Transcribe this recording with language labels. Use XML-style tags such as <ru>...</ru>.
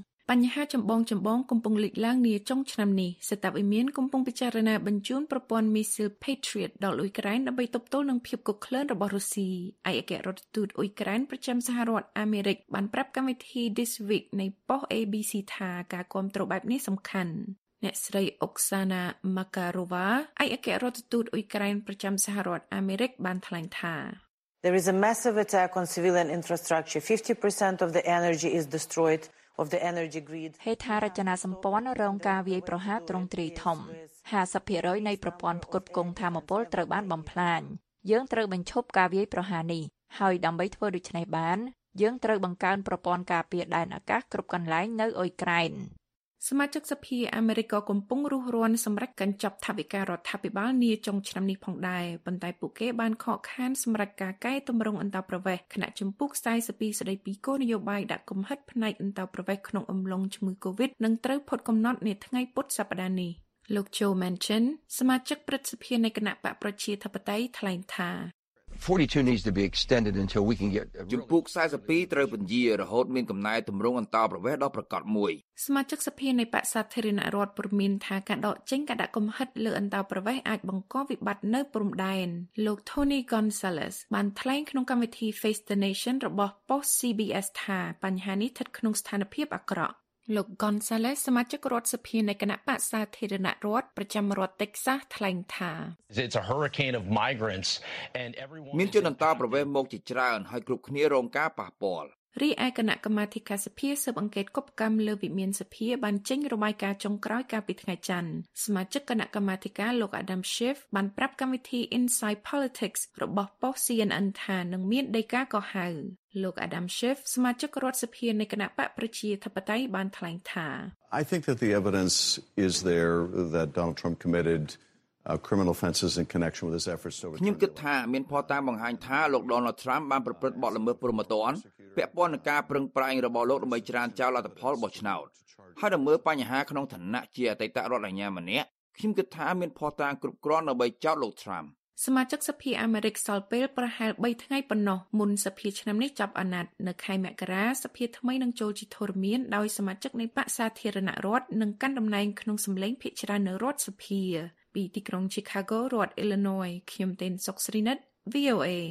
<km>បញ្ហាចម្បងកំពុងលេចឡើងនាចុងឆ្នាំនេះស្ថាប័នមានកំពុងពិចារណាបញ្ជូនប្រព័ន្ធមីស៊ីល Patriot ដល់អ៊ុយក្រែនដើម្បីទប់ទល់នឹងភាពកុកក្លឿនរបស់រុស្ស៊ីឯកអគ្គរដ្ឋទូតអ៊ុយក្រែនប្រចាំសហរដ្ឋអាមេរិកបានប្រាប់កម្មវិធី This Week នៃប៉ុស ABC ថាការគ្រប់គ្រងបែបនេះសំខាន់អ្នកស្រីអុកសាណាម៉ាការូវ៉ាឯកអគ្គរដ្ឋទូតអ៊ុយក្រែនប្រចាំសហរដ្ឋអាមេរិកបានថ្លែងថា</km> <en>There is a massive attack on civilian infrastructure 50% of the energy is destroyed of the energy grid</en> <km>ហេដ្ឋារចនាសម្ព័ន្ធរងការវាយប្រហារទ្រង់ទ្រាយធំ 50% នៃប្រព័ន្ធផ្គត់ផ្គង់ថាមពលត្រូវបានបំផ្លាញយើងត្រូវបញ្ឈប់ការវាយប្រហារនេះហើយដើម្បីធ្វើដូច្នេះបានយើងត្រូវបង្កើនប្រព័ន្ធការពារដែនអាកាសគ្រប់កន្លែងនៅអ៊ុយក្រែន សមាជិកសភាអាមេរិកក៏កំពុងរុះរានសម្រាប់កញ្ចប់ថវិការដ្ឋាភិបាលនាចុងឆ្នាំនេះផងដែរប៉ុន្តែពួកគេបានខកខានសម្រាប់ការកែតម្រង់អន្តរប្រវេសន៍គណៈជំពូក42ស្តីពីគោលនយោបាយដាក់កំហិតផ្នែកអន្តរប្រវេសន៍ក្នុងអំឡុងឆ្មឺកូវីដនិងត្រូវផុតកំណត់នាថ្ងៃពុធសប្តាហ៍នេះលោក Joe Manchin សមាជិកព្រឹទ្ធសភានៃគណៈបកប្រជាធិបតេយ្យថ្លែងថា</km> <en>42 needs to be extended until we can get</en> <km>ជំពូក42ត្រូវពន្យាររហូតមានកំណែទម្រង់អន្តរប្រវេសន៍ដល់ប្រកាសមួយ សមាជិកសភានៃបក្សសាធារណរដ្ឋព្រមានថាការដកចេញការដាក់កំហិតលើអន្តរប្រវេសន៍អាចបង្កវិបត្តិនៅព្រំដែនលោក Tony Gonzalez បានថ្លែងក្នុងកម្មវិធី Face the Nation របស់ Post CBS ថាបញ្ហានេះស្ថិតក្នុងស្ថានភាពអាក្រក់លោក Gonzalez សមាជិករដ្ឋសភានៃគណៈបក្សសាធារណរដ្ឋប្រចាំរដ្ឋ Texas ថ្លែងថា មានជនអន្តោប្រវេសន៍មកជាច្រើនហើយគ្រប់គ្នារងការប៉ះពាល់រីឯគណៈកម្មាធិការសភាស៊ើបអង្កេតគប់កម្មលើវិមានសភាបានចេញរបាយការណ៍ចុងក្រោយកាលពីថ្ងៃច័ន្ទសមាជិកគណៈកម្មាធិការលោក Adam Schiff បានប្រាប់កម្មវិធី Inside Politics របស់ប៉ុស CNN ថានឹងមានដីកាកោះហៅលោក Adam Schiff សមាជិករដ្ឋសភានៃគណៈបកប្រជាធិបតេយ្យបានថ្លែងថា</km> <en>I think that the evidence is there that Donald Trump committed criminal offenses in connection with his efforts to</en> <km>ខ្ញុំគិតថាមានភស្តុតាងបង្ហាញថាលោក Donald Trump បានប្រព្រឹត្តបទល្មើសព្រហ្មទណ្ឌពាក់ព័ន្ធនឹងការប្រឹងប្រែងរបស់លោកដើម្បីច្រានចោលលទ្ធផលរបស់ឆ្នោតហើយដើម្បីបញ្ហាក្នុងឋានៈជាអតីតរដ្ឋអាជ្ញាម្នាក់ខ្ញុំគិតថាមានភស្តុតាងគ្រប់គ្រាន់ដើម្បីចោទលោក Trump សមាជិកសភាអាមេរិកសល់ពេលប្រហែល3ថ្ងៃប៉ុណ្ណោះមុនសភាឆ្នាំនេះចាប់អាណត្តិនៅខែមករាសភាថ្មីនឹងចូលជាធរមានដោយសមាជិកនៃបក្សសាធារណរដ្ឋនឹងកាន់តំណែងក្នុងសម្លេងភាគច្រើននៅរដ្ឋសភាពីទីក្រុង Chicago រដ្ឋ Illinois ខ្ញុំទីនសុកស្រីណិត VOA</km>